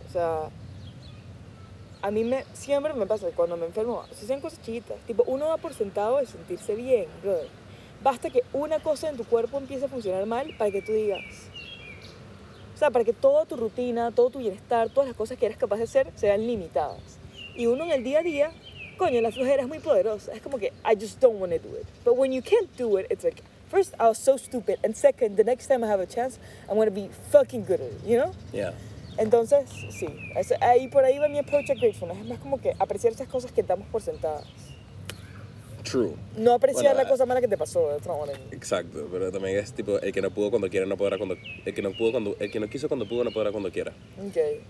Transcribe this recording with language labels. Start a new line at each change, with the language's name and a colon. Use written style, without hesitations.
Spanish: O sea, a mí siempre me pasa cuando me enfermo, se hacen cosas chiquitas. Tipo, uno va por sentado de sentirse bien, brother. basta que una cosa en tu cuerpo empiece a funcionar mal para que tú digas, o sea, para que toda tu rutina, todo tu bienestar, todas las cosas que eres capaz de hacer sean limitadas. Y uno en el día a día, coño, la flojera es muy poderosa. Es como que,
English: I just don't want to do it. But when you can't do it, it's like, first, I was so stupid. And second, the next time I have a chance, I'm going to be fucking good at it, you know? Yeah.
Spanish: Entonces, sí. Eso, ahí por ahí va mi approach a gratefulness. Es más como que apreciar esas cosas que damos por sentadas.
English: True.
Spanish: No apreciar la cosa mala que te pasó.
English: That's not what I mean.
Spanish: Exacto. Pero también es tipo, el que no pudo cuando quiera, no podrá cuando... El que no pudo cuando... El que no quiso cuando pudo, no podrá cuando quiera.
English: Okay.